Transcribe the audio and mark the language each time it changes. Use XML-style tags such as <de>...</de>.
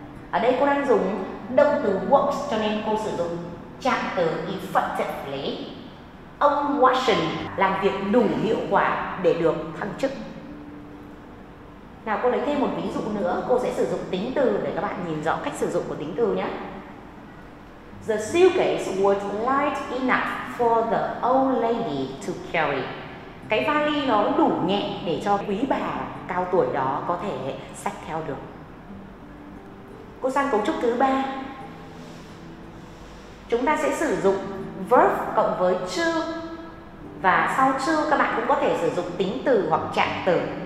<vi>Ở đây cô đang dùng động từ works, cho nên cô sử dụng trạng từ effectively. Ông Watson làm việc đủ hiệu quả để được thăng chức. Nào cô lấy thêm một ví dụ nữa, cô sẽ sử dụng tính từ để các bạn nhìn rõ cách sử dụng của tính từ nhé.</vi> <en>The suitcase was light enough for the old lady to carry.</en> <vi>Cái vali nó đủ nhẹ để cho quý bà cao tuổi đó có thể xách theo được. Cô sang cấu trúc thứ 3. Chúng ta sẽ sử dụng verb cộng với to. Và sau to các bạn cũng có thể sử dụng tính từ hoặc trạng từ.</vi>